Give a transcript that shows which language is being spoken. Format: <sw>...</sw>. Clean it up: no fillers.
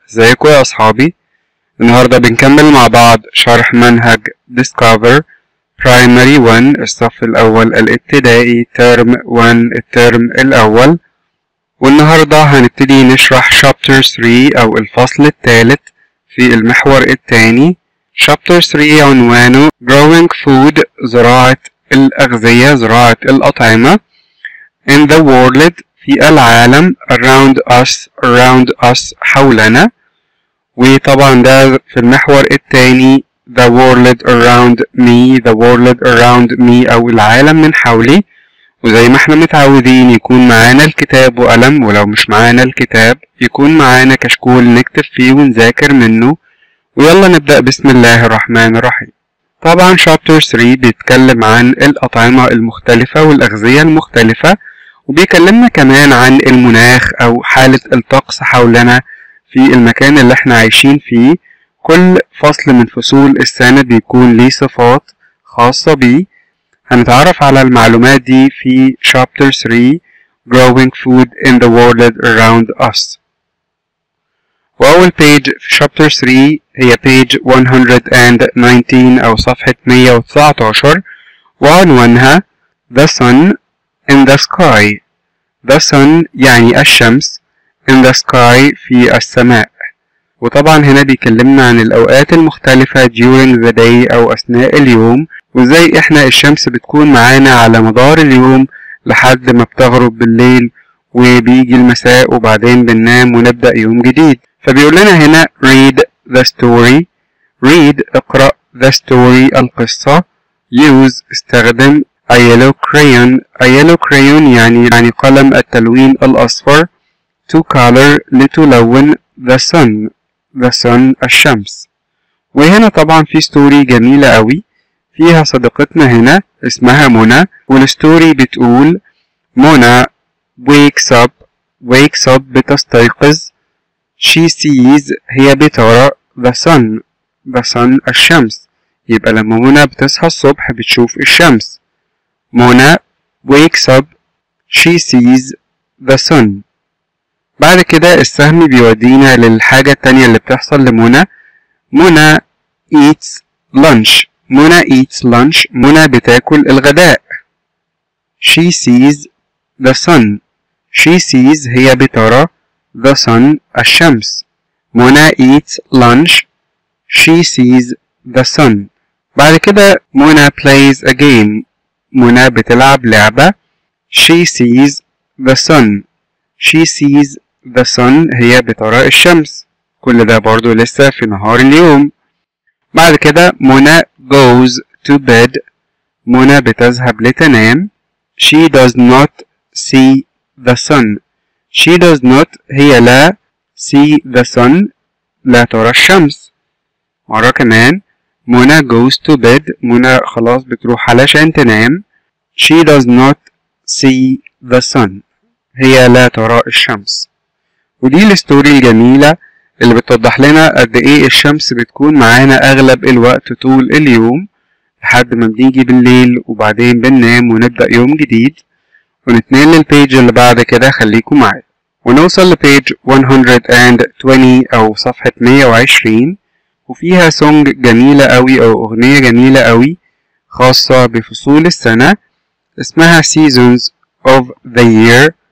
<ar>ازيكم يا اصحابي؟ النهاردة بنكمل مع بعض شرح منهج ديسكفر برايمري 1، الصف الاول الابتدائي، ترم 1 الترم الاول. والنهاردة هنبتدي نشرح شابتر 3 او الفصل الثالث في المحور الثاني. شابتر 3 عنوانه Growing Food، زراعة الأغذية، زراعة الأطعمة.</ar> <en>In the world،</en> <ar>في العالم.</ar> <en>Around us، around us،</en> <ar>حولنا. وطبعا ده في المحور الثاني،</ar> <en>The world around me، the world around me،</en> <ar>أو العالم من حولي. وزي ما احنا متعودين يكون معانا الكتاب وقلم، ولو مش معانا الكتاب يكون معانا كشكول نكتب فيه ونذاكر منه. ويلا نبدأ. بسم الله الرحمن الرحيم. طبعا شابتر 3 بيتكلم عن الأطعمة المختلفة والأغذية المختلفة، وبيكلمنا كمان عن المناخ أو حالة الطقس حولنا في المكان اللي احنا عايشين فيه. كل فصل من فصول السنة بيكون ليه صفات خاصة بيه. هنتعرف على المعلومات دي في شابتر 3 Growing Food in the World Around Us. وأول بيج في شابتر 3 هي بيج 119 أو صفحة 119، وعنوانها The Sun in the Sky.</ar> <en>The Sun</en> <ar>يعني الشمس،</ar> <en>in the sky</en> <ar>في السماء. وطبعا هنا بيكلمنا عن الأوقات المختلفة</ar> <en>during the day</en> <ar>أو أثناء اليوم، وزي إحنا الشمس بتكون معانا على مدار اليوم لحد ما بتغرب بالليل وبيجي المساء وبعدين بننام ونبدأ يوم جديد. فبيقول لنا هنا</ar> <en>read the story، read</en> <ar>اقرأ،</ar> <en>the story</en> <ar>القصة،</ar> <en>use</en> <ar>استخدم،</ar> <en>a yellow crayon، a yellow crayon</en> <ar>يعني قلم التلوين الأصفر،</ar> <en>to color</en> <ar>لتلون،</ar> <en>the sun، the sun</en> <ar>الشمس. وهنا طبعا في story جميلة قوي فيها صديقتنا هنا اسمها منى، والستوري بتقول منى</ar> <en>wakes up،</en> <ar>wakes up بتستيقظ،</ar> <en>she sees</en> <ar>هي بترى،</ar> <en>the sun، the sun</en> <ar>الشمس. يبقى لما منى بتصحى الصبح بتشوف الشمس.</ar> <en>منى wakes up، she sees the sun.</en> <ar>بعد كده السهم بيودينا للحاجة التانية اللي بتحصل لمنى. منى</ar> <en>eats lunch،</en> <ar>منى eats lunch، منى بتاكل الغداء.</ar> <en>she sees the sun، she sees</en> <ar>هي بترى،</ar> <en>the sun</en> <ar>الشمس.</ar> <en>منى eats lunch، she sees the sun.</en> <ar>بعد كده منى</ar> <en>plays a game،</en> <ar>منى بتلعب لعبة.</ar> <en>she sees the sun، she sees the sun</en> <ar>هي بترى الشمس. كل ده برضو لسه في نهار اليوم. بعد كده منى</ar> <en>goes to bed،</en> <ar>منى بتذهب لتنام.</ar> <en>she does not see the sun، she does not</en> <ar>هي لا</ar> <en>see the sun</en> <ar>لا ترى الشمس. مرة كمان منى</ar> <en>goes to bed،</en> <ar>منى خلاص بتروح علشان تنام.</ar> <en>she does not see the sun</en> <ar>هي لا ترى الشمس. ودي الستوري الجميلة اللي بتوضح لنا قد ايه الشمس بتكون معانا اغلب الوقت طول اليوم لحد ما بنيجي بالليل وبعدين بننام ونبدأ يوم جديد. ونتنقل للبيج اللي بعد كده، خليكم معي. ونوصل لبيج 120 او صفحة 120، وفيها سونج جميلة قوي او اغنية جميلة قوي خاصة بفصول السنة اسمها Seasons of the Year.</ar>